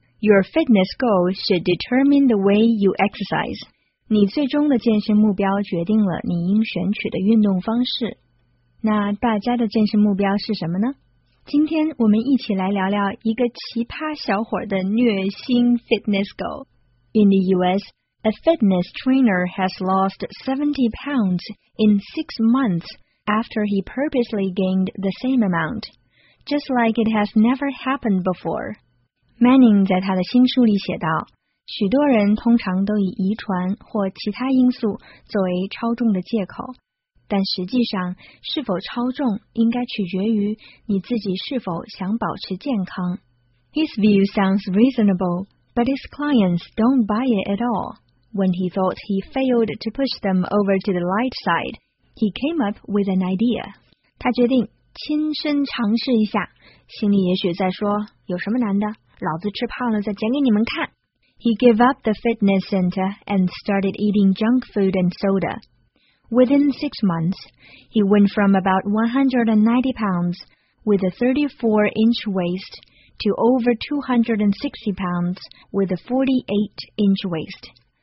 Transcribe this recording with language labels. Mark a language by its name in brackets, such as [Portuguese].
[English] Your fitness goal should determine the way you exercise. [Chinese] 你最终的健身目标决定了你应选取的运动方式。那大家的健身目标是什么呢？今天我们一起来聊聊一个奇葩小伙的虐心 [English] fitness goal. In the US, a fitness trainer has lost 70 pounds in 6 months after he purposely gained the same amount, just like it has never happened before. [Chinese] Manning 在他的新书里写道，许多人通常都以遗传或其他因素作为超重的借口。但实际上，是否超重应该取决于你自己是否想保持健康。 [English] His view sounds reasonable, but his clients don't buy it at all. When he thought he failed to push them over to the light side, he came up with an idea. [Chinese] 他决定亲身尝试一下，心里也许在说，有什么难的？老子吃胖了再减给你们看。 [English] He gave up the fitness center and started eating junk food and soda. Within 6 months, he went from about 190 pounds with a 34-inch waist to over 260 pounds with a 48-inch waist.